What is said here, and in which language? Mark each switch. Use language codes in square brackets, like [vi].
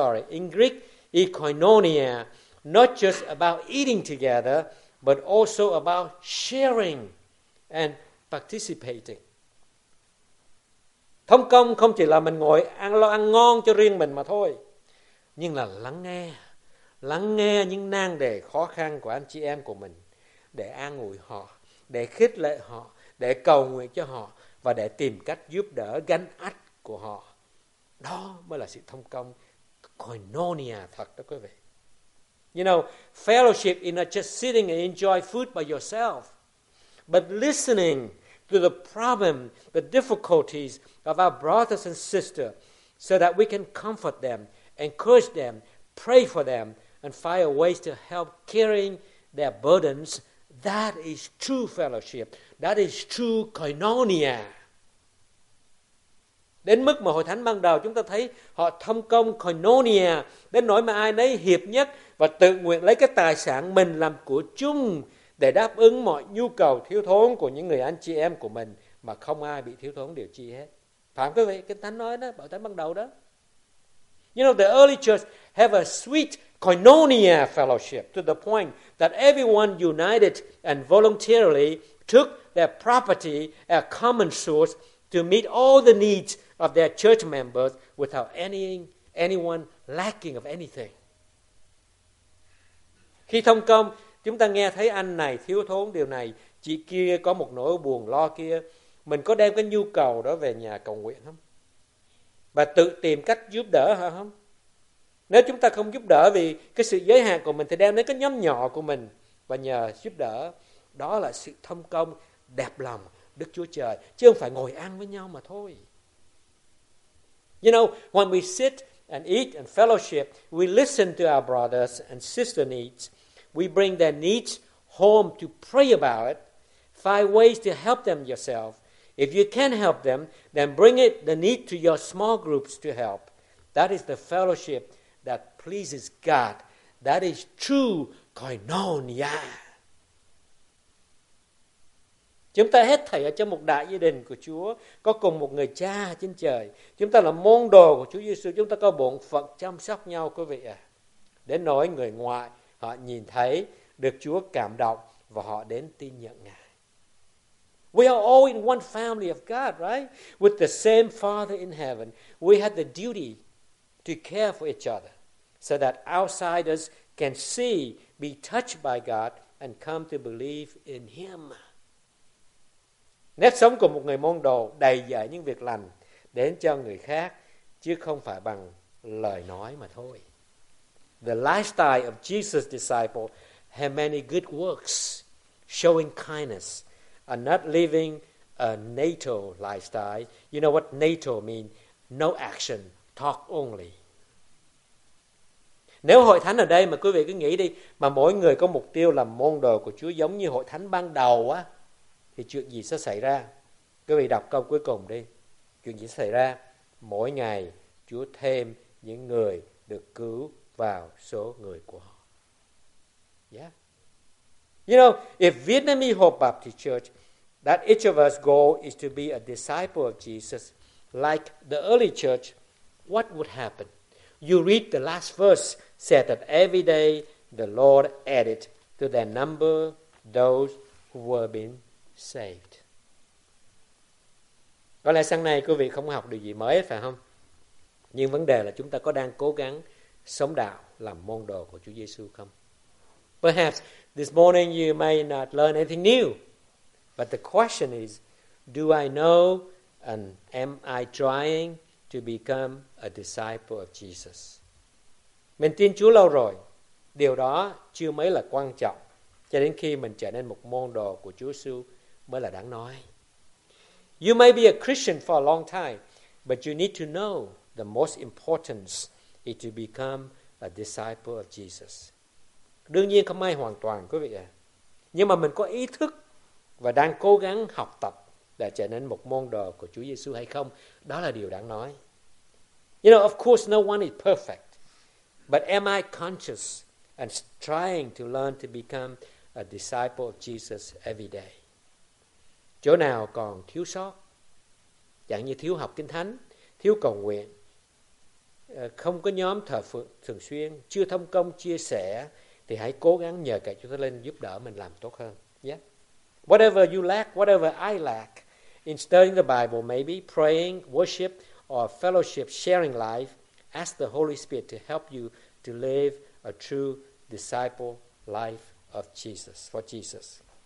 [en] In Greek is koinonia, not just about eating together, but also about sharing and participating. [vi] Thông công không chỉ là mình ngồi ăn lo ăn ngon cho riêng mình mà thôi, nhưng là lắng nghe những nan đề khó khăn của anh chị em của mình, để an ủi họ, để khích lệ họ, để cầu nguyện cho họ và để tìm cách giúp đỡ gánh ách của họ. Đó mới là sự thông công koinonia thật đó quý vị. [en] You know, fellowship is not just sitting and enjoy food by yourself, but listening to the problem, the difficulties of our brothers and sisters, so that we can comfort them, encourage them, pray for them, and find a way to help carrying their burdens. That is true fellowship. That is true koinonia. [vi] Đến mức mà hội thánh ban đầu chúng ta thấy họ thông công koinonia, đến nỗi mà ai nấy hiệp nhất và tự nguyện lấy cái tài sản mình làm của chung để đáp ứng mọi nhu cầu thiếu thốn của những người anh chị em của mình, mà không ai bị thiếu thốn điều chi hết. Phải không quý vị? Kinh Thánh nói đó, bảo thánh ban đầu đó. [en] You know, the early church have a sweet koinonia fellowship to the point that everyone united and voluntarily took their property, a common source, to meet all the needs of their church members without anyone lacking of anything. [vi] Khi thông công, chúng ta nghe thấy anh này thiếu thốn điều này, chị kia có một nỗi buồn lo kia, mình có đem cái nhu cầu đó về nhà cầu nguyện không? Và tự tìm cách giúp đỡ hả không? Nếu chúng ta không giúp đỡ vì cái sự giới hạn của mình, thì đem đến cái nhóm nhỏ của mình và nhờ giúp đỡ. Đó là sự thông công đẹp lòng Đức Chúa Trời, chứ không phải ngồi ăn với nhau mà thôi. [en] You know, when we sit and eat and fellowship, we listen to our brothers and sister needs. We bring their needs home to pray about it. Find ways to help them yourself. If you can't help them, then bring it the need to your small groups to help. That is the fellowship that pleases God. That is true koinonia. [vi] Chúng ta hết thảy ở trong một đại gia đình của Chúa, có cùng một người cha trên trời. Chúng ta là môn đồ của Chúa Giêsu, chúng ta có bổn phận chăm sóc nhau quý vị ạ. Đến nỗi người ngoại họ nhìn thấy được Chúa cảm động và họ đến tin nhận Ngài. [en] We are all in one family of God, right? With the same Father in heaven. We have the duty to care for each other so that outsiders can see, be touched by God and come to believe in Him. [vi] Nét sống của một người môn đồ đầy dạy những việc lành đến cho người khác, chứ không phải bằng lời nói mà thôi. [en] The lifestyle of Jesus' disciple had many good works, showing kindness and not living a NATO lifestyle. You know what NATO means? No action, talk only. [vi] Nếu hội thánh ở đây mà quý vị cứ nghĩ đi, mà mỗi người có mục tiêu làm môn đồ của Chúa giống như hội thánh ban đầu á, thì chuyện gì sẽ xảy ra? Quý vị đọc câu cuối cùng đi. Chuyện gì sẽ xảy ra? Mỗi ngày Chúa thêm những người được cứu vào số người của họ. [en] Yeah. You know, if Vietnamese Hope Baptist Church, that each of us goal is to be a disciple of Jesus, like the early church, what would happen? You read the last verse, said that every day the Lord added to their number those who were being saved. [vi] Có lẽ sáng nay quý vị không học điều gì mới, phải không? Nhưng vấn đề là chúng ta có đang cố gắng sống đạo, làm môn đồ của Chúa Giê-xu không? [en] Perhaps this morning you may not learn anything new. But the question is, do I know and am I trying to become a disciple of Jesus? [vi] Mình tin Chúa lâu rồi, điều đó chưa mấy là quan trọng, cho đến khi mình trở nên một môn đồ của Chúa Giê-xu mới là đáng nói. [en] You may be a Christian for a long time, but you need to know the most important is to become a disciple of Jesus. [vi] Đương nhiên không ai hoàn toàn, quý vị ạ. Nhưng mà mình có ý thức và đang cố gắng học tập để trở nên một môn đồ của Chúa Giê-xu hay không, đó là điều đáng nói. [en] You know, of course, no one is perfect. But am I conscious and trying to learn to become a disciple of Jesus every day? [vi] Chỗ nào còn thiếu sót, chẳng như thiếu học Kinh Thánh, thiếu cầu nguyện, không có nhóm thờ phượng thường xuyên, chưa thông công chia sẻ, thì hãy cố gắng nhờ cậy Chúa Thánh Linh giúp đỡ mình làm tốt hơn. [en] Yeah. Whatever you lack, whatever I lack, in studying the Bible maybe, praying, worship, or fellowship, sharing life, ask the Holy Spirit to help you to live a true disciple life of Jesus, for Jesus.